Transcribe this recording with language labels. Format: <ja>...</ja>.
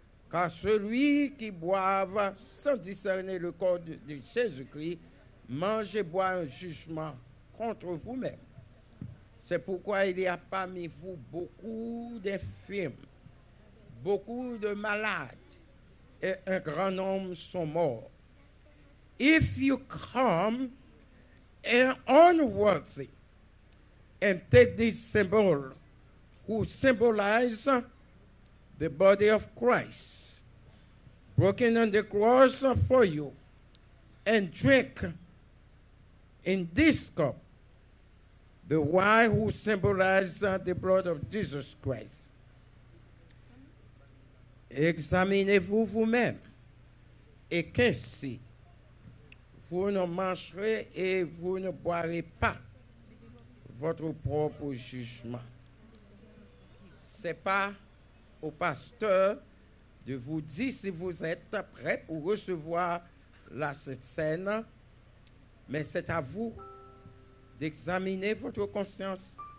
<fr>Car celui qui boive sans discerner le corps de Jésus-Christ mange et boit un jugement contre vous-même. C'est pourquoi il y a parmi vous beaucoup d'infirmes, beaucoup de malades et un grand nombre sont morts.</fr> <en>If you come and unworthy and take this symbol who symbolize the body of Christ broken on the cross for you and drink in this cup the wine who symbolize the blood of Jesus Christ.</en> <fr>Examinez-vous vous-même et qu'ainsi vous ne mangerez et vous ne boirez pas votre propre jugement. Ce n'est pas au pasteur de vous dire si vous êtes prêt pour recevoir la Sainte Cène, mais c'est à vous d'examiner votre conscience.</fr>